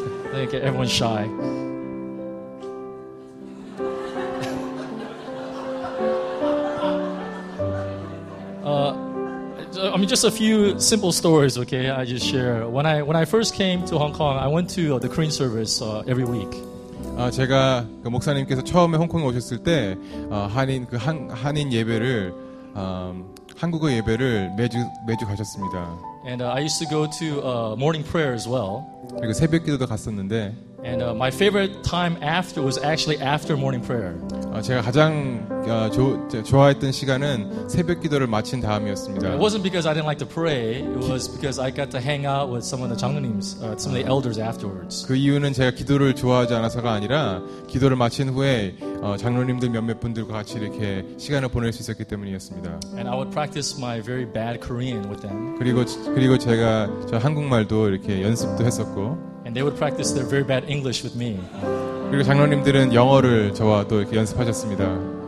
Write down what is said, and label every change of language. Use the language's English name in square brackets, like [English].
[English] I think everyone's shy. I mean, just a few simple stories, okay? I just share. When I first came to Hong Kong, I went to the Korean service every week. [Korean] 제가 그 목사님께서 처음에 홍콩에 오셨을 때 한인 예배를 한국어 예배를 매주 가셨습니다. [English] And I used to go to morning prayer as well. [Korean] 그리고 새벽 기도도 갔었는데. [English] And my favorite time after was actually after morning prayer. [Korean] 제가 가장 좋아했던 시간은 새벽 기도를 마친 다음이었습니다. [English] It wasn't because I didn't like to pray. It was because I got to hang out with some of the 장로님s, some of the elders afterwards. [Korean] 그 이유는 제가 기도를 좋아하지 않아서가 아니라 기도를 마친 후에 장로님들 몇몇 분들과 같이 이렇게 시간을 보낼 수 있었기 때문이었습니다. [English] And I would practice my very bad Korean with them. [Korean] 그리고 제가 저 한국말도 이렇게 연습도 했었고. [English] And they would practice their very bad English with me. [Korean] 그리고 장로님들은 영어를 저와 또 이렇게 연습하셨습니다.